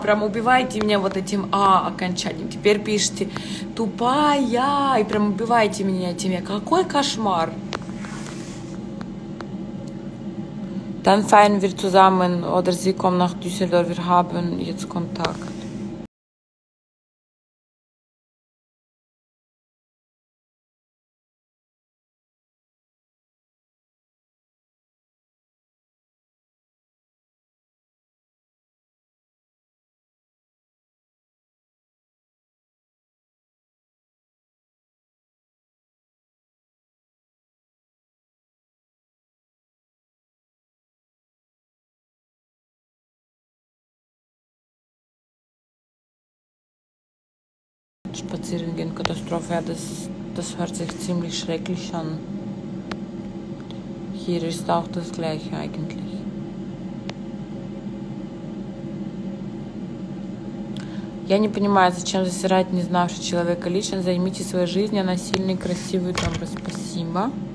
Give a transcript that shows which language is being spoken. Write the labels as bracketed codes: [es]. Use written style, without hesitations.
[ru] Прям убивайте меня вот этим а окончанием. Теперь пишите тупая. И прям убивайте меня этими. Какой кошмар. [de] Dann feiern wir zusammen oder Sie kommen nach Düsseldorf. Wir haben jetzt Kontakt. Spazieren gehen, Katastrophe, ja, das hört sich ziemlich schrecklich an. hier ist auch das gleiche eigentlich. [ru] Я не понимаю, зачем засирать незнавшего человека лично. Займите своей жизнью, она сильная и красивая. Там, спасибо.